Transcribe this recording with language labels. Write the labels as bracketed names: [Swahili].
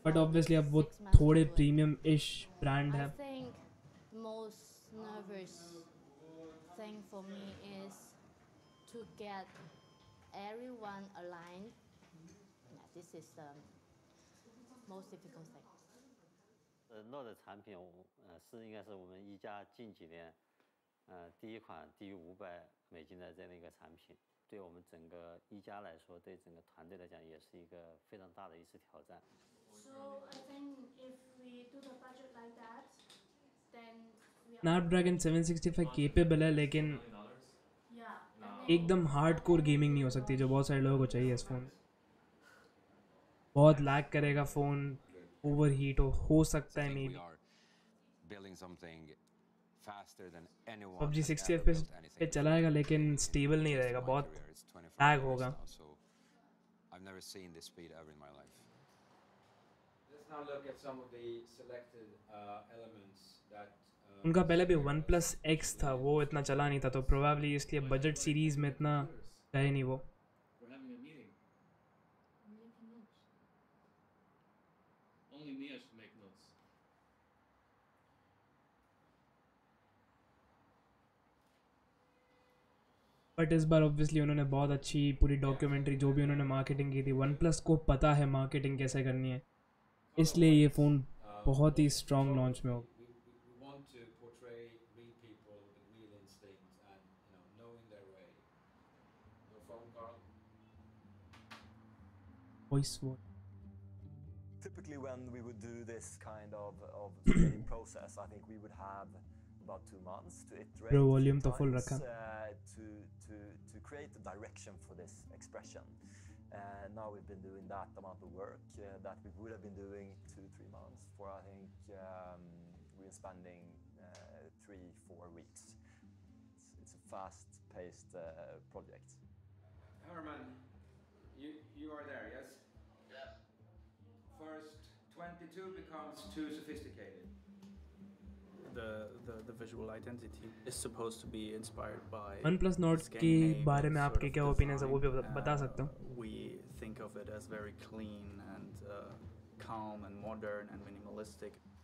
[English] but obviously [Hindi] ab wo thode premium ish brand hai. [English] I think the most nervous thing for me is to get everyone aligned. Yeah, this is the most difficult thing. [Chinese] Note 产品是应该是我们一家近几年 第一款低于500美金的这样一个产品，对我们整个一家来说，对整个团队来讲，也是一个非常大的一次挑战。 [English] So I think if we do the budget like that, then [Hindi] Snapdragon 765 capable है, लेकिन एकदम hardcore gaming नहीं हो सकती, जो बहुत सारे लोगों को चाहिए इस फोन। बहुत lag करेगा फोन, overheat हो सकता है maybe. [English] Building something. Faster than anyone. [Hindi] PUBG 60 FPS पे चलाएगा लेकिन स्टेबल नहीं रहेगा, बहुत लैग होगा. [English] I've never seen this speed ever in my life. Let's now look at some of the selected elements that [Hindi] उनका पहले भी OnePlus X था, वो इतना चला नहीं था, तो probably इसलिए बजट सीरीज में इतना है नहीं वो. [English] We're having a meeting. Only me has to make notes. [Hindi] But इस बार ऑब्वियसली उन्होंने बहुत अच्छी पूरी डॉक्यूमेंट्री जो भी उन्होंने मार्केटिंग की थी, OnePlus को पता है मार्केटिंग कैसे करनी है, इसलिए ये फ़ोन बहुत ही स्ट्रॉन्ग लॉन्च में होगा. [English] Typically when we would do this kind of training process, I think we would have about 2 months to iterate Pro volume to full rakha to create the direction for this expression. And now we've been doing that amount of work that we would have been doing 2-3 months for. I think we are spending 3-4 weeks. It's a fast paced project. Herman, you are there, yes? Yes. First, 22 becomes too sophisticated. The visual identity is supposed to be inspired by [Hindi] OnePlus Nord के बारे में आपके क्या opinions हैं वो भी बता सकता हूँ. [English] We think of it as very clean and calm and modern and minimalistic.